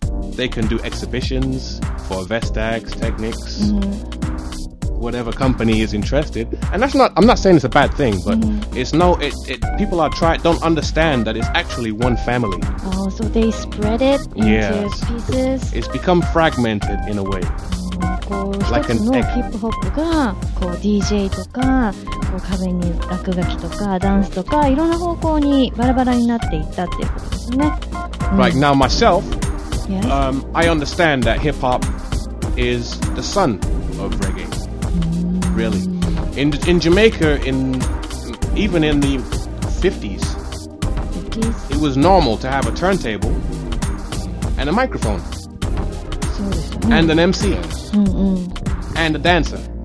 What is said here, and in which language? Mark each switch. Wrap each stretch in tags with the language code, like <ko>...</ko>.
<en>They can do exhibitions for Vestax, Technics, whatever company is interested. And that's not, I'm not saying it's a bad thing, but people are don't understand that it's actually one family. Oh, so they spread it into pieces? It's become fragmented in a way. Like an hip-hop, DJ,</en> <ja>壁に落書きとかダンスとかいろんな方向にバラバラになっていったっていうことですね。</ja> <en>Right now myself, I understand that hip hop is the son of reggae. Really, in Jamaica, even in the 50s, it was normal to have a turntable and a microphone, and an MC, and a dancer.</en>